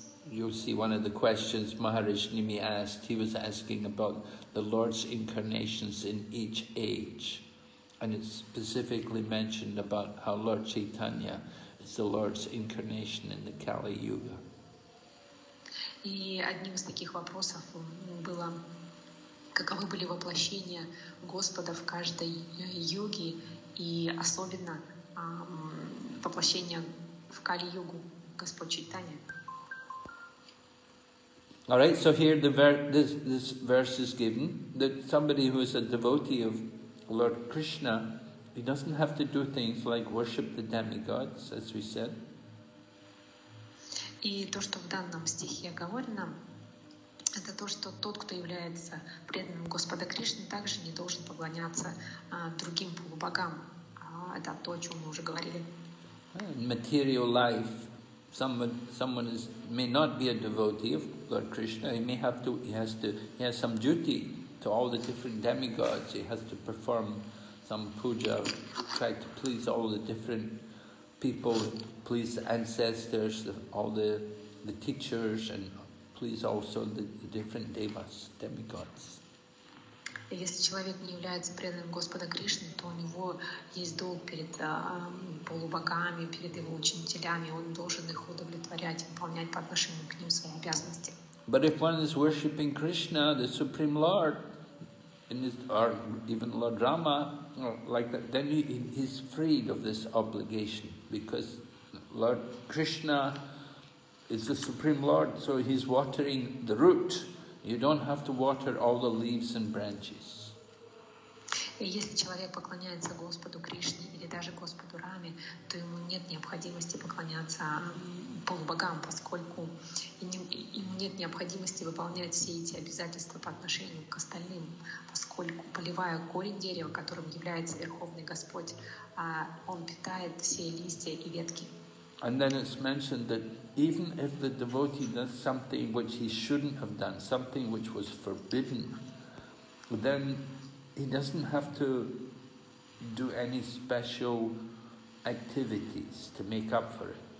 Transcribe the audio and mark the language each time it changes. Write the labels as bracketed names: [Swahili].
[English] You'll see one of the questions Maharaj Nimi asked. He was asking about the Lord's incarnations in each age. And it's specifically mentioned about how Lord Chaitanya is the Lord's incarnation in the Kali Yuga. [Russian] И одним из таких вопросов было, каковы были воплощения Господа в каждой юге, и особенно воплощение в Кали Югу Господь Чайтанья. All right, so here this verse is given, that somebody who is a devotee of Lord Krishna, he doesn't have to do things like worship the demigods, as we said. И то, что в данном стихе говорено, это то, что тот, кто является преданным Господа Кришны, также не должен поклоняться другим полубогам. Это то, о чем мы уже говорили. [English] In material life. Someone is may not be a devotee of Lord Krishna. He has some duty to all the different demigods. He has to perform some puja, try to please all the different people, please the ancestors, all the teachers, and please also the different devas, demigods. [Russian] Если человек не является преданным Господа Кришны, то у него есть долг перед полубогами, перед его учителями. Он должен их удовлетворять, выполнять по отношению к ним свои обязанности. [English] But if one is worshipping Krishna, the Supreme Lord, or even Lord Rama, like that, then he's freed of this obligation, because Lord Krishna is the Supreme Lord, so he's watering the root. You don't have to water all the leaves and branches. [Russian] Если человек поклоняется Господу Кришне или даже Господу Раме, то ему нет необходимости поклоняться полубогам, поскольку ему нет необходимости выполнять все эти обязательства по отношению к остальным, поскольку поливая корень дерева, которым является Верховный Господь, он питает все листья и ветки. [English] And then it's mentioned that even if the devotee does something which he shouldn't have done, something which was forbidden, then he doesn't have to do any special activities to make up for it.